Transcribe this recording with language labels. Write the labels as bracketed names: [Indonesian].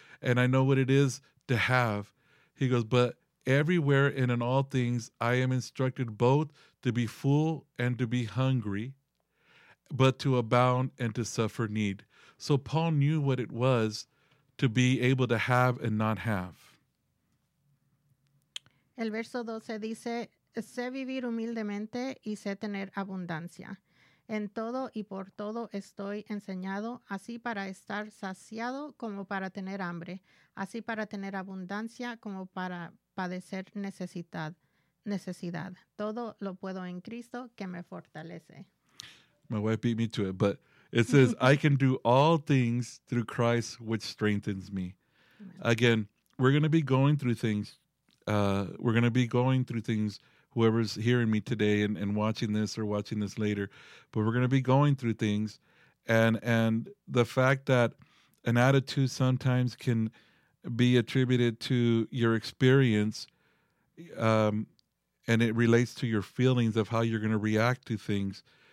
[English] And I know what it is to have. He goes, but everywhere and in all things, I am instructed both to be full and to be hungry, but to abound and to suffer need. So Paul knew what it was to be able to have and not have. [Spanish] El verso 12 dice, sé vivir humildemente y sé tener abundancia. En todo y por todo estoy enseñado, así para estar saciado como para tener hambre, así para tener abundancia como para padecer necesidad. necesidad. Todo lo puedo en Cristo que me fortalece. [English] My wife beat me to it, but it says, I can do all things through Christ, which strengthens me. Amen. Again, we're going to be going through things. We're going to be going through things, whoever's hearing me today and watching this or watching this later. But we're going to be going through things. And the fact that an attitude sometimes can be attributed to your experience, and it relates to your feelings of how you're going to react to things.